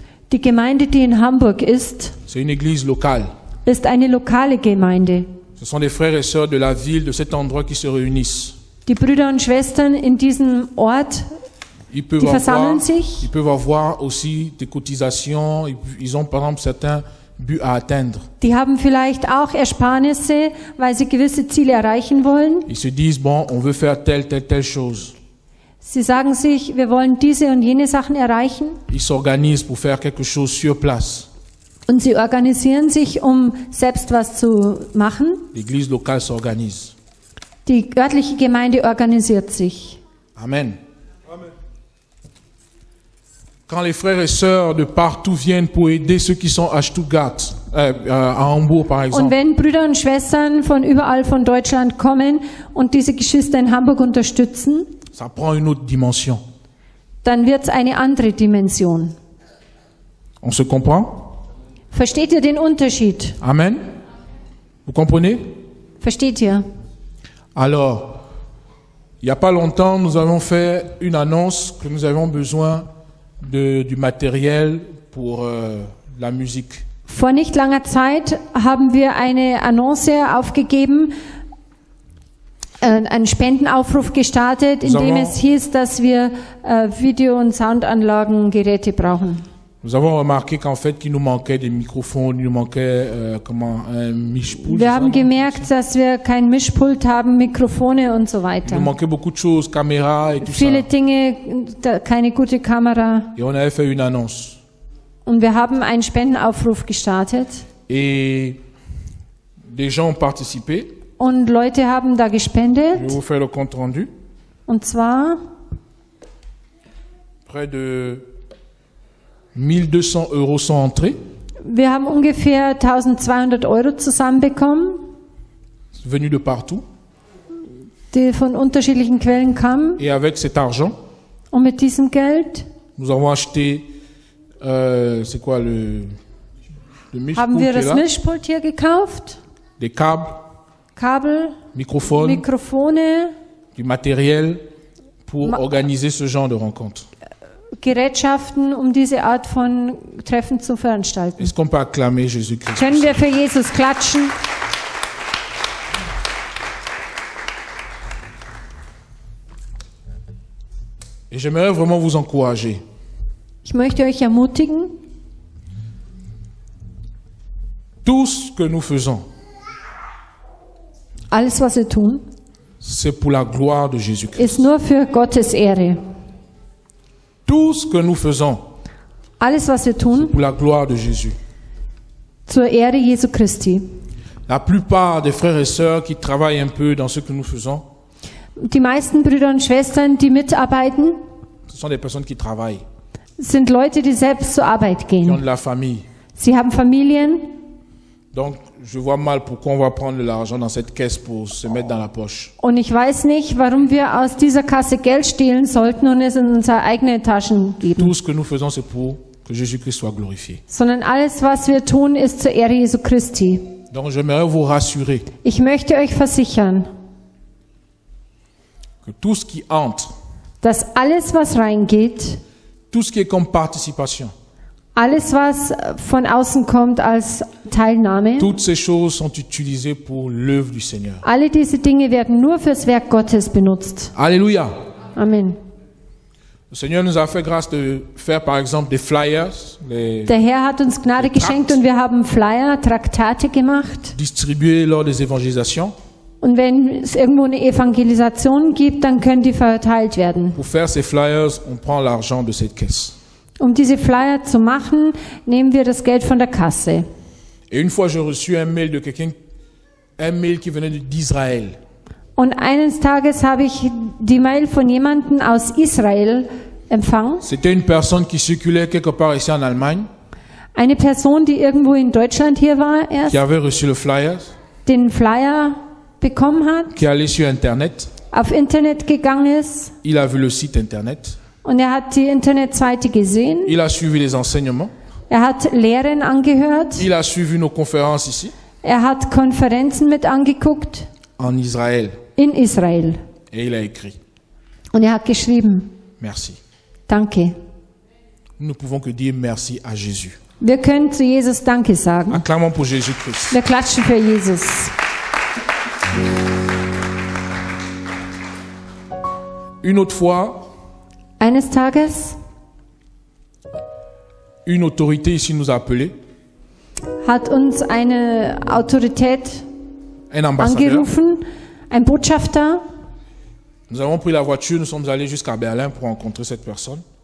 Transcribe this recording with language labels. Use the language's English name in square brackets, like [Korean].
[German] Die Gemeinde, die in Hamburg ist. [French] C'est une église locale. [German] Ist eine lokale Gemeinde. [French] Ce sont des frères et sœurs de la ville, de cet endroit qui se réunissent. [German] Die Brüder und Schwestern in diesem Ort, die versammeln sich. [French] Ils peuvent avoir aussi des cotisations. Ils ont par exemple certains but à atteindre. [German] Die haben vielleicht auch Ersparnisse, weil sie gewisse Ziele erreichen wollen. [French] Ils se disent, bon, on veut faire telle chose. [German] Sie sagen sich, wir wollen diese und jene Sachen erreichen. [French] Ils s'organisent pour faire quelque chose sur place. [German] Und sie organisieren sich, um selbst was zu machen. [French] L'église locale s'organise. [German] Die örtliche Gemeinde organisiert sich. [French] Amen. Quand les frères et sœurs de partout viennent pour aider ceux qui sont à Stuttgart, à Hambourg par exemple. [German] Und wenn Brüder und Schwestern von überall von Deutschland kommen und diese Geschwister in Hamburg unterstützen, [French] ça prend une autre dimension. [German] Dann wird's eine andere Dimension. [French] On se comprend? [German] Versteht ihr den Unterschied? [French] Amen. Vous comprenez? [German] Versteht ihr? [French] Alors, il n'y a pas longtemps, nous avons fait une annonce que nous avons besoin du matériel pour la musique. [German] Vor nicht langer Zeit haben wir eine Annonce aufgegeben, einen Spendenaufruf gestartet, in dem es hieß, dass wir Video- und Soundanlagen, Geräte brauchen. [French] Nous avons remarqué qu'en fait, qu'il nous manquait des microphones, il nous manquait un mischpult. [German] Wir haben gemerkt, dass wir kein Mischpult haben, Mikrofone und so weiter. [French] Il nous manquait beaucoup de choses, caméra et tout [German] viele [French] ça. [German] Dinge, keine gute Kamera. [French] Et on avait fait une annonce. [German] Und wir haben einen Spendenaufruf gestartet. [French] Et des gens ont participé. [German] Und Leute haben da gespendet. [French] Je vais vous faire le compte rendu. [German] Und zwar [French] près de 1200 euros sont entrés. [German] Wir haben ungefähr 1200 Euro zusammenbekommen. [French] Venu de partout. [German] Die von unterschiedlichen Quellen kamen. [French] Et avec cet argent. [German] Und mit diesem Geld. [French] Nous avons acheté, c'est quoi le [German] Mischpult. Haben wir das Mischpult hier gekauft? [French] Des câbles. [German] Kabel. Mikrofon. Mikrofone. [French] Du matériel pour organiser ce genre de rencontre. [German] Gerätschaften, um diese Art von Treffen zu veranstalten. [French] Est-ce qu'on peut acclamer Jésus-Christ? [German] Können wir für Jesus klatschen? [French] Et j'aimerais vraiment vous encourager. [German] Ich möchte euch ermutigen. [French] Tout ce que nous faisons. [German] Alles, was wir tun. [French] C'est pour la gloire de Jésus-Christ. [German] Ist nur für Gottes Ehre. [French] Tout ce que nous faisons, [German] alles, was wir tun, [French] c'est pour la gloire de Jésus. [German] Zur Ehre Jesu Christi. [French] La plupart des frères et sœurs qui travaillent un peu dans ce que nous faisons, [German] die meisten Brüder und Schwestern, die mitarbeiten, [French] ce sont des personnes qui travaillent. [German] Sind Leute, die selbst zur Arbeit gehen. [French] Qui ont de la famille. [German] Sie haben Familien. [French] Donc, je vois mal pourquoi on va prendre l'argent dans cette caisse pour se mettre dans la poche. [German] Und ich weiß nicht, warum wir aus dieser Kasse Geld stehlen sollten und es in unsere eigenen Taschen geben. [French] Tout ce que nous faisons, c'est pour que Jésus-Christ soit glorifié. [German] Sondern alles, was wir tun, ist zur Ehre Jesu Christi. [French] Donc, j'aimerais vous rassurer. [German] Ich möchte euch versichern, [French] que tout ce qui entre, [German] dass alles, was reingeht, [French] tout ce qui est comme participation, [German] alles, was von außen kommt als Teilnahme, [French] toutes ces choses sont utilisées pour l'œuvre du Seigneur. [German] Alle diese Dinge werden nur fürs Werk Gottes benutzt. [French] Alléluia. Amen. Le Seigneur nous a fait grâce de faire, par exemple, des flyers. [German] Der Herr hat uns Gnade geschenkt und wir haben Flyer, Traktate gemacht. [French] Distribuer lors des évangélisations. [German] Und wenn es irgendwo eine Evangelisation gibt, dann können die verteilt werden. [French] Pour faire ces flyers, on prend l'argent de cette caisse. [German] Um diese Flyer zu machen, nehmen wir das Geld von der Kasse. [French] Et une fois, j'ai reçu un mail de quelqu'un, un mail qui venait d'Israël. [German] Und eines Tages habe ich die Mail von jemanden aus Israel empfangen. [French] C'était une personne qui circulait quelque part ici en Allemagne. [German] Eine Person, die irgendwo in Deutschland hier war erst. [French] Qui avait reçu le flyer. [German] Den Flyer bekommen hat. [French] Qui allait sur Internet. [German] Auf Internet gegangen ist. [French] Il a vu le site Internet. [German] Und er hat die Internetseite gesehen. [French] Il a suivi les enseignements. [German] Er hat Lehren angehört. [French] Il a suivi nos conférences ici. [German] Er hat Konferenzen mit angeguckt. [French] En Israël. [German] In Israel. [French] Et il a écrit. [German] Und er hat geschrieben. [French] Merci. [German] Danke. [French] Nous ne pouvons que dire merci à Jésus. [German] Wir können zu Jesus Danke sagen. [French] Acclamons pour Jésus-Christ. [German] Wir klatschen für Jesus. [French] Une autre fois. [German] Eines Tages [French] une autorité ici nous a appelé. [German] hat uns eine Autorität angerufen, ein Botschafter. [French] Nous avons pris la voiture, nous sommes allés jusqu'à Berlin pour rencontrer cette personne.